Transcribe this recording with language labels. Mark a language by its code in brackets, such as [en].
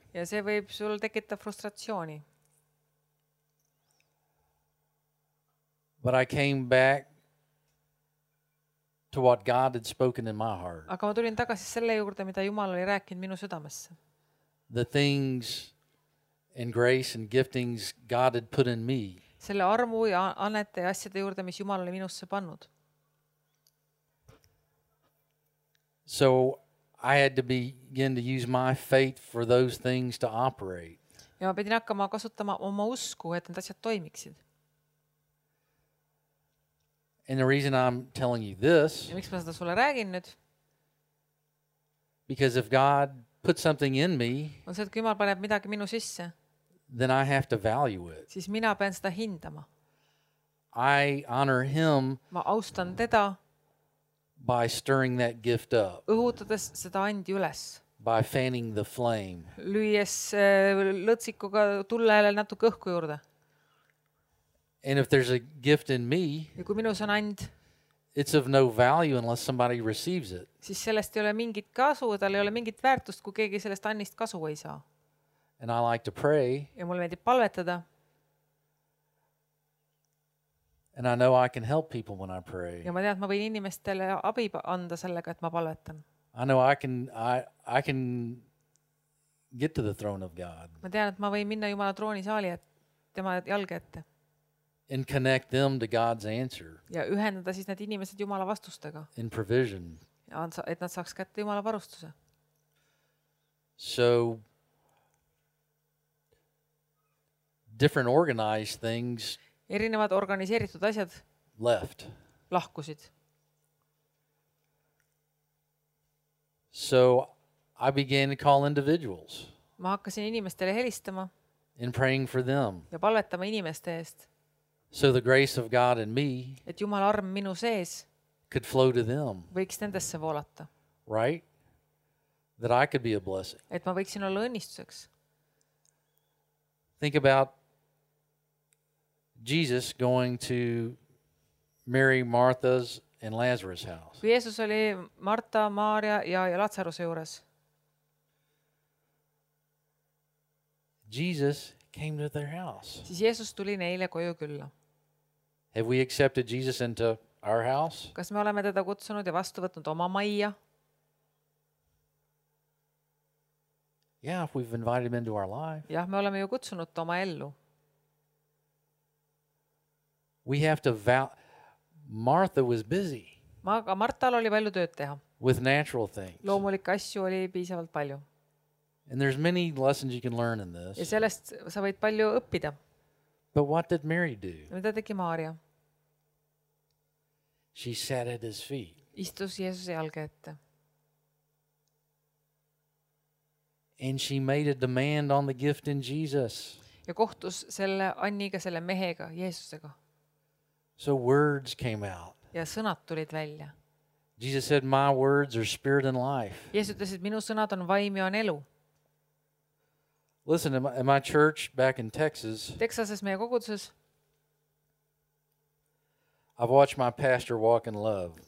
[et] Ja see võib sul tekita frustratsiooni. [en] But I came back to what God had spoken in my heart. [et] Aga ma tulin tagasi selle juurde, mida Jumal oli rääkinud minu südamesse. [en] The things and grace and giftings God had put in me. [et] Selle armu ja annete ja asjade juurde, mis Jumal oli minusse pannud. [en] So I had to begin to use my faith for those things to operate. [et] Ja ma pidin hakkama kasutama oma usku, et need asjad toimiksid. [en] And the reason I'm telling you this, [et] ja miks ma seda sulle räägin nüüd? [en] Because if God put something in me, [et] on see, et kui Jumal paneb midagi minu sisse, [en] then I have to value it. [et] Siis mina pean seda hindama. [en] I honor him. [et] Ma austan teda. [en] By stirring that gift up. [et] Õhutades seda andi üles. [en] By fanning the flame. [et] Lüües lõtsikuga tullele natuke õhku juurde. [en] And if there's a gift in me, [et] ja kui minus on and, [en] it's of no value unless somebody receives it. [et] Siis sellest ei ole mingit kasu, tal ei ole mingit väärtust, kui keegi sellest annist kasu ei saa. [en] And I like to pray. [et] Ja mul meeldib palvetada. [en] And I know I can help people when I pray. [et] Ja ma tean, et ma võin inimestele abi anda sellega, et ma palvetan. [en] I know I can get to the throne of God. [et] Ma tean, et ma võin minna Jumala trooni saali, et tema jalge ette. [en] And connect them to God's answer. [et] Ja ühendada siis need inimesed Jumala vastustega. [en] In provision. [et] Ja et nad saaks kätte Jumala varustuse. [en] So different organized things. [et] erinevad organiseeritud asjad [en] left. [et] Lahkusid. [en] So I began to call individuals. [et] Ma hakkasin inimestele helistama. [en] In praying for them. [et] Ja palvetama inimeste eest. [en] So the grace of God in me. [et] Et Jumal arm minu sees. [en] Could flow to them. [et] Võiks nendesse voolata. [en] Right? That I could be a blessing. [et] Et ma võiksin olla õnnistuseks. [en] Think about Jesus going to Mary, Martha's and Lazarus' house. [et] Kui Jeesus oli Marta, Maarja ja Lazaruse juures. [en] Jesus came to their house. [et] Siis Jeesus tuli neile koju külla. [en] Have we accepted Jesus into our house? [et] Kas me oleme teda kutsunud ja vastu võtnud oma majja? [en] Yeah, if we've invited him into our life. [et] Jah, me oleme ju kutsunud ta oma ellu. [en] We have to Martha was busy. [et] Aga Martal oli palju tööd teha. [en] With natural things. [et] Loomulik asju oli piisavalt palju. [en] And there's many lessons you can learn in this. [et] Ja sellest sa võid palju õppida. [en] But what did Mary do? [et] Mida tegi Maarja? [en] She sat at his feet. [et] Istus Jeesuse jalge ette. [en] And she made a demand on the gift in Jesus. [et] Ja kohtus selle Anniga, selle mehega, Jeesusega. [en] So words came out. [et] Ja sõnad tulid välja. [en] Jesus said, "My words are spirit and life." [et] Jeesus ütles, et minu sõnad on vaim ja on elu. [en] Listen, in my church back in Texas. [et] Texases meie koguduses. [en] I've watched my pastor walk in love.